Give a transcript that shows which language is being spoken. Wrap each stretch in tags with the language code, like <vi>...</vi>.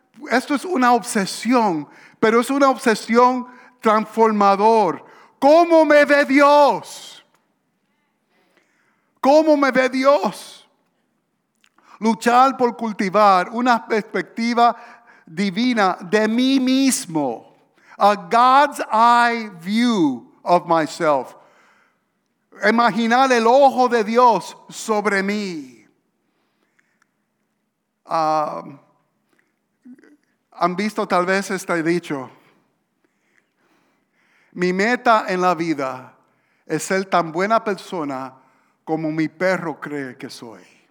<es>Esto es una obsesión, pero es una obsesión transformador. ¿Cómo me ve Dios? ¿Cómo me ve Dios? Luchar por cultivar una perspectiva divina de mí mismo.</es> <en>A God's eye view of myself.</en> <es>Imaginar el ojo de Dios sobre mí. Han visto tal vez este dicho. Mi meta en la vida es ser tan buena persona como mi perro cree que soy.</es>